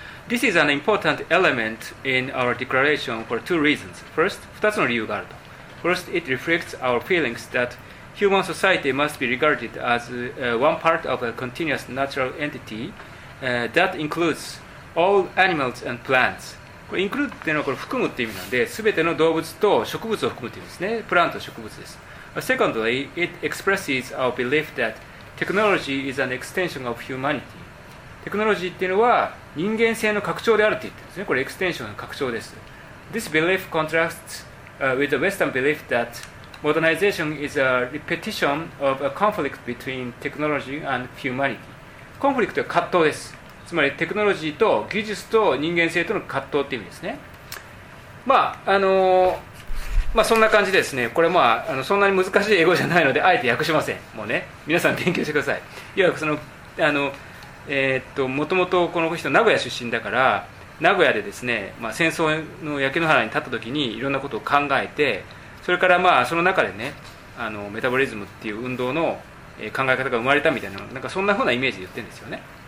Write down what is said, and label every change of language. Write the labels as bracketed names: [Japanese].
[English] This is an important element in our declaration for two reasons. [Japanese] First, 2つの理由があると。 [English] First, it reflects our feelings that human society must be regarded as one part of a continuous natural entity that includes all animals and plants. [Japanese] これ include っていうのはこれ含むって意味なんで、すべての動物と植物を含むって意味ですね。プラント、植物です。 [English] Secondly, it expresses our belief that technology is an extension of humanity. [Japanese] テクノロジーっていうのは人間性の拡張であるって言ってるんですね。これエクステンションの拡張です。 [English] This belief contrasts with the Western belief that modernization is a repetition of a conflict between technology and humanity. [Japanese] コンフリクトは葛藤です。つまりテクノロジーと技術と人間性との葛藤っていう意味ですね。まあまあ、そんな感じですね。これまあそんなに難しい英語じゃないのであえて訳しません。もうね、皆さん勉強してください。いわくもともとこの人名古屋出身だから、名古屋でですね、まあ、戦争の焼け野原に立った時にいろんなことを考えて、それからまあその中でね、メタボリズムっていう運動の考え方が生まれたみたいな、なんかそんな風なイメージで言ってるんですよね。